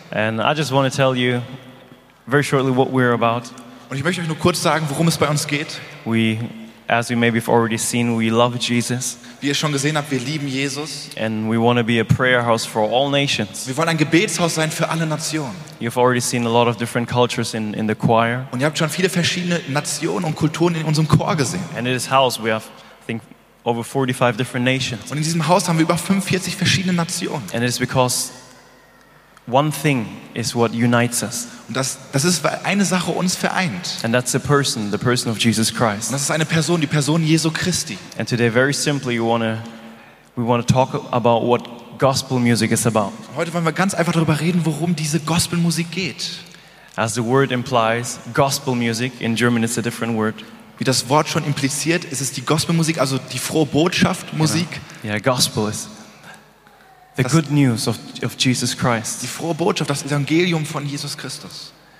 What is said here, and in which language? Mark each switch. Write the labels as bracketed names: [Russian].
[English] And I just want to tell you very shortly what we're about. [German] Und ich möchte euch nur kurz sagen, worum es bei uns geht. [English] We, as you maybe have already seen, we love Jesus. [German] Wie ihr schon gesehen habt, wir lieben Jesus. [English] And we want to be a prayer house for all nations. [German] Wir wollen ein Gebetshaus sein für alle Nationen. [English] You've already seen a lot of different cultures in the choir. [German] Und ihr habt schon viele verschiedene Nationen und Kulturen in unserem Chor gesehen. [English] And in this house we have, I think, over 45 different nations. [German] Und in diesem Haus haben wir über 45 verschiedene Nationen. [English] And it is because one thing is what unites us. [German] Und das ist eine Sache uns vereint. [English] And that's the person of Jesus Christ. [German] Und das ist eine Person, die Person Jesu Christi. [English] And today, very simply, we want to talk about what gospel music is about. [German] Heute wollen wir ganz einfach darüber reden, worum diese Gospelmusik geht. [English] As the word implies, gospel music in German is a different word. [German] Wie das Wort schon impliziert, ist es die Gospelmusik, also die frohe Botschaft Musik. [English] Yeah, yeah, gospel is the good news of Jesus Christ. [German] Die frohe Botschaft, das Evangelium von Jesus Christus.